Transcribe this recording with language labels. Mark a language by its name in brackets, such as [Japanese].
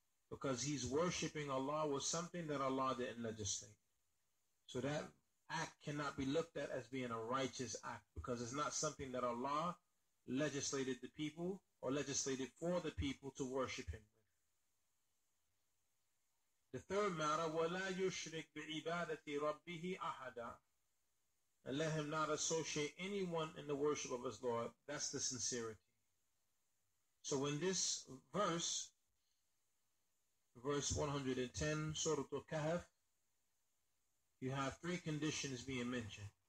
[English] Because he's worshipping Allah with something that Allah didn't legislate. So that act cannot be looked at as being a righteous act, because it's not something that Allah legislated the people, or legislated for the people to worship him. The third matter, [Arabic] وَلَا يُشْرِكْ بِعِبَادَةِ رَبِّهِ أَحَدًا. [English] And let him not associate anyone in the worship of his Lord. That's the sincerity. So in this verse, verse 110, Surah Al-Kahf, you have three conditions being mentioned.